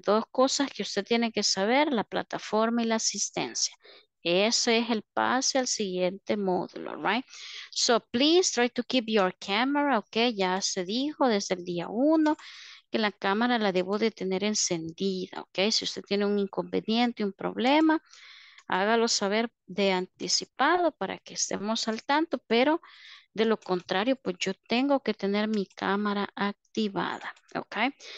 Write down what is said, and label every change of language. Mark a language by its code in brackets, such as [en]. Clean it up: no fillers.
[es] Dos cosas que usted tiene que saber, la plataforma y la asistencia. Ese es el pase al siguiente módulo, right? [en] So, please try to keep your camera, okay? [es] Ya se dijo desde el día uno que la cámara la debo de tener encendida, okay? Si usted tiene un inconveniente, un problema, hágalo saber de anticipado para que estemos al tanto, pero de lo contrario, pues yo tengo que tener mi cámara activada, okay?